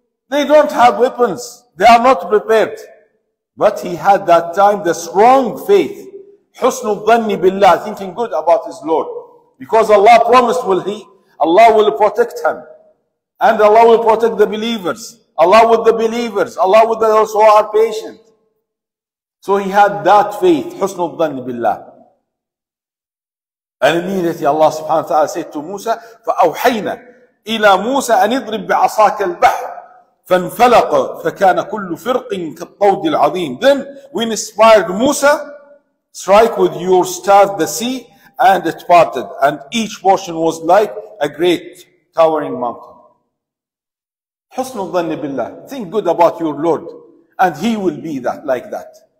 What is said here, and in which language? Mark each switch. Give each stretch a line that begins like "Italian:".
English: They don't have weapons. They are not prepared. But he had that time the strong faith.
Arabic: حسن الظن بالله,
English: thinking good about his Lord. Because Allah promised Allah will protect him. And Allah will protect the believers. Allah with the believers. Allah with those who are patient. So he had that faith.
Arabic: حسن الظن بالله.
English: And immediately Allah subhanahu wa ta'ala said to Musa,
Arabic: فَأَوْحَيْنَا إِلَى مُوسَى أَنِ اضْرِبْ بِعَصَاكَ الْبَحْرِ فَانْفَلَقَ فَكَانَ كُلُّ فِرْقٍ كَالطَّوْدِ الْعَظِيمِ.
English: Then we inspired Musa, strike with your staff the sea, and it parted. And each portion was like a great towering mountain.
Arabic: حسن الظن بالله,
English: think good about your Lord, and he will be that, like that.